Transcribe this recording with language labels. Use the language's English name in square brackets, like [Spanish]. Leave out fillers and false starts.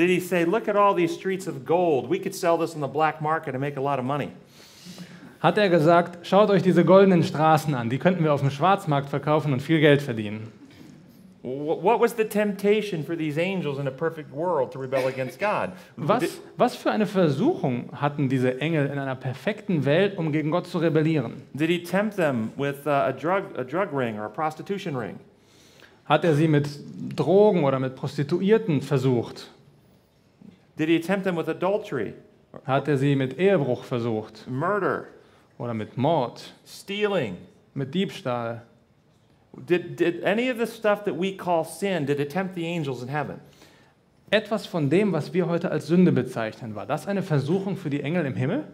[English] Did he say, look at all these streets of gold, we could sell this on the black market and make a lot of money? [German] Hat er gesagt, schaut euch diese goldenen Straßen an, die könnten wir auf dem Schwarzmarkt verkaufen und viel Geld verdienen. [English] What was the temptation for these angels in a perfect world to rebel against God? [German] Was für eine Versuchung hatten diese Engel in einer perfekten Welt, um gegen Gott zu rebellieren? [English] Did he tempt them with a drug ring or a prostitution ring? [German] Hat er sie mit Drogen oder mit Prostituierten versucht? [English] Did he tempt them with adultery? [German] Hat er sie mit Ehebruch versucht? [English] Murder. [German] Oder mit Mord? [English] Stealing. [German] Mit Diebstahl? [English] Did any of the stuff that we call sin, did it tempt the angels in heaven? [German] Etwas von dem, was wir heute als Sünde bezeichnen, war das eine Versuchung für die Engel im Himmel?